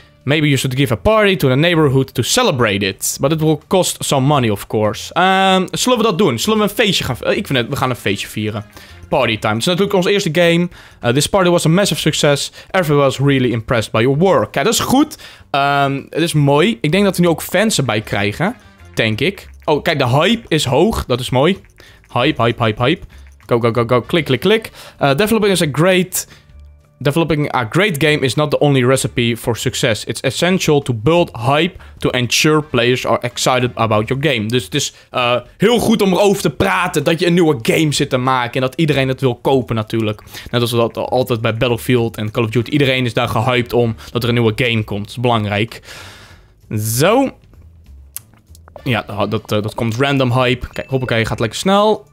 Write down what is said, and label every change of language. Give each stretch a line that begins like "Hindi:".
English: Maybe you should give a party to the neighborhood to celebrate it. But it will cost some money, of course.
Dutch: Zullen we dat doen? Zullen we een feestje gaan... we gaan een feestje vieren.
English: Party time.
Dutch: Het is natuurlijk ons eerste game.
English: This party was a massive success. Everyone was really impressed by your work.
Dutch: Kijk, dat is goed. Het is mooi. Ik denk dat we nu ook fans erbij krijgen. Denk ik. Oh, kijk, de hype is hoog. Dat is mooi. Hype. Go. Klik.
English: Developing is a great... Developing a great game is not the only recipe for success. It's essential to build hype to ensure players are excited about your game.
Dutch: Dus het is heel goed om erover te praten dat je een nieuwe game zit te maken. En dat iedereen het wil kopen natuurlijk. Net als dat altijd bij Battlefield en Call of Duty. Iedereen is daar gehyped om dat er een nieuwe game komt. Dat is belangrijk. Zo. Ja, dat komt random hype. Kijk, hoppakee, gaat lekker snel.